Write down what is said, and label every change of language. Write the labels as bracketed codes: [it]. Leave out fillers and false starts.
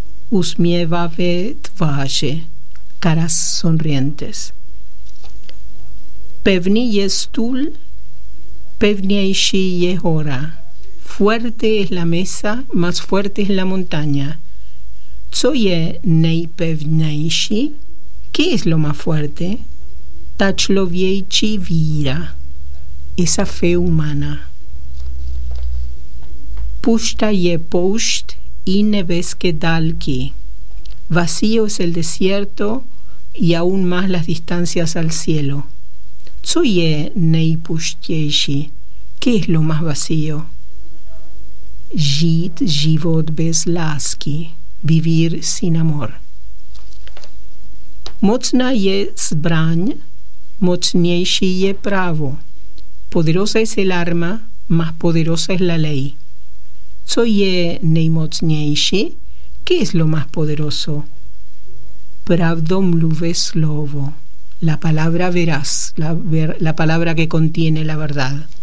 [cs] Usměvavé tváře, [es] caras sonrientes. [cs] Pevný je stůl, pevnější je hora. [es] Fuerte es la mesa, más fuerte es la montaña. [cs] Co je nejpevnější? [es] ¿Qué es lo más fuerte? [cs] Ta člověčí víra, [es] esa fe humana. [cs] Pusta je poušť i nebeské dálky. [es] Vacío es el desierto y aún más las distancias al cielo. [cs] Co je nejpustější? [es] ¿Qué es lo más vacío? [cs] Žít život bez lásky, [es] vivir sin amor. [cs] Mocná je zbraň, mocnější je právo. [es] Poderosa es el arma, más poderosa es la ley. [cs] Co je nejmocnější? [es] ¿Qué es lo más poderoso? [cs] Pravdo mluve slovo. [es] La palabra veraz, la palabra que contiene la verdad.